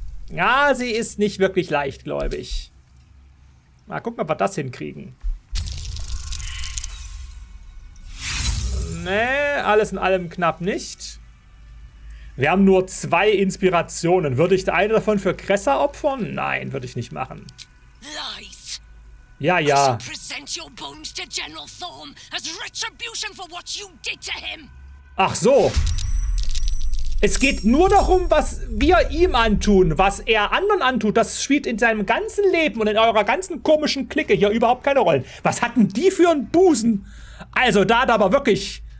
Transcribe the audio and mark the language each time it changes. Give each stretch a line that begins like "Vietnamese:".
German: Ja, sie ist nicht wirklich leichtgläubig. Mal gucken, ob wir das hinkriegen. Nee, alles in allem knapp nicht. Wir haben nur zwei Inspirationen. Würde ich eine davon für Kressa opfern? Nein, würde ich nicht machen. Lies. Ja, ja.
English: I present your bones to General Thorm as retribution for what you did to him.
German: Ach so. Es geht nur darum, was wir ihm antun, was er anderen antut. Das spielt in seinem ganzen Leben und in eurer ganzen komischen Clique hier überhaupt keine Rolle. Was hatten die für einen Busen? Also, da hat aber wirklich...